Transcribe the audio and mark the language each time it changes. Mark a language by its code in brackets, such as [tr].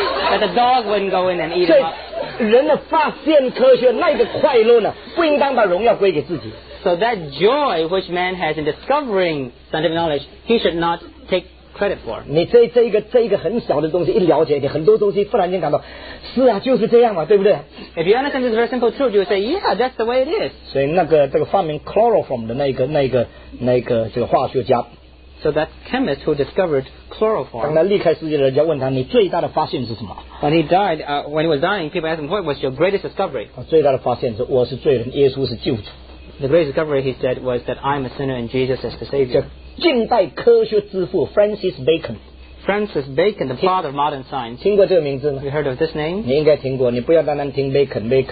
[en] But the dog wouldn't go in and eat them. [zh] 人的发现科学那个快乐呢，不应当把荣耀归给自己。 [en] So that joy which man has in discovering scientific knowledge, he should not take credit for. [zh] 你这一个很小的东西一了解一点，很多东西忽然间感到，是啊，就是这样嘛，对不对 [en] ？If you understand this very simple truth, you would say, yeah, that's the way it is. [zh] 所以这个发明 chloroform 的那个这个化学家。 [en] So that chemist who discovered chloroform. [zh] 当他离开世界了，人家问他，你最大的发现是什么 [en] ？When he died, when he was dying, people asked him, "What was your greatest discovery?" [zh] 最大的发现是我是罪人，耶稣是救主。 [en] The great discovery, he said, was that I'm a sinner and Jesus is the Savior. [zh] 近代科学之父 Francis Bacon. [en] Francis Bacon, the father of modern science. [zh] 听过这个名字吗 [en] ？You heard of this name? [zh] 你应该听过，你不要单单听 Bacon.